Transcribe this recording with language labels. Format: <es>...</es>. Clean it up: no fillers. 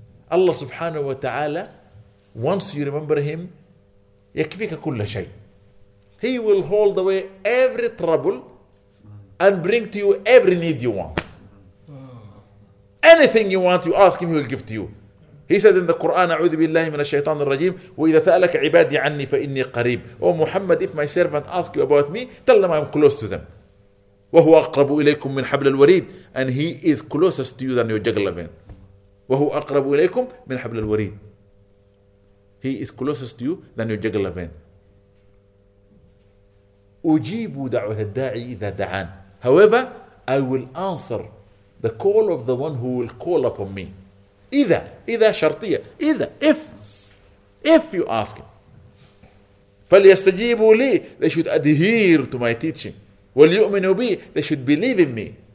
<en>Allah subhanahu wa ta'ala, once you remember Him,</en> <ar>يكفيك كل شيء.</ar> <en>He will hold away every trouble and bring to you every need you want. Anything you want, you ask Him, He will give to you. He said in the Quran,</en> <ar>أعوذ بالله من الشيطان الرجيم وإذا سألك عبادي عني فإني قريب.</ar> <en>Oh Muhammad, if my servant asks you about me, tell them I'm close to them.</en> <ar>وهو أقرب إليكم من حبل الوريد.</ar> <en>And He is closest to you than your juggler vein.</en> <ar>وهو أقرب إليكم من حبل الوريد.</ar> <en>He is closest to you than your juggler vein.</en> <ar>أجيبوا دعوة الداعي إذا دعان.</ar> <en>However, I will answer the call of the one who will call upon me.</en> <ar>إذا شرطية. إذا,</ar> <en>if you ask him.</en> <ar>فليستجيبوا لي.</ar> <en>They should adhere to my teaching.</en> <ar>وليؤمنوا بي.</ar> <en>They should believe in me.</en>